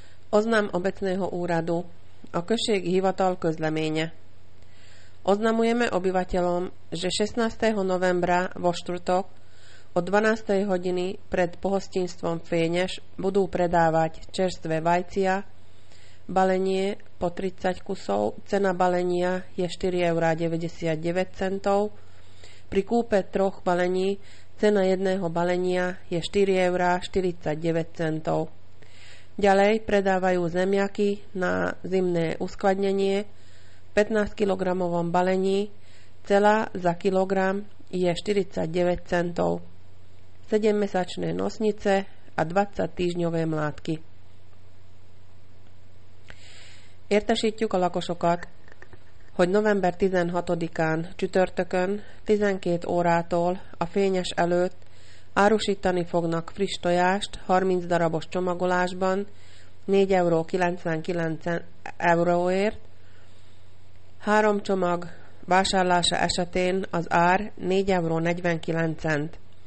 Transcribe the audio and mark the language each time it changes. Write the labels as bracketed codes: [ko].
[sk] Oznam obecného úradu a [hu] Kösség hivatal közleménye. [sk] Oznamujeme obyvateľom, že 16. novembra vo štvrtok od 12. hodiny pred pohostinstvom Fénes budú predávať čerstvé vajcia, balenie po 30 kusov, cena balenia je 4,99 €, pri kúpe troch balení cena jedného balenia je 4,49 €. Ďalej predávajú zemiaky na zimné uskladnenie v 15-kilogramovom balení, cena za kilogram je 49 centov, 7-mesačné nosnice a 20-týždňové mlátky. [hu] Értesítjük a lakosokat, hogy november 16-án csütörtökön 12 órától a Fényes előtt árusítani fognak friss tojást 30 darabos csomagolásban 4,99 €-ért, 3 csomag vásárlása esetén az ár 4,49 €.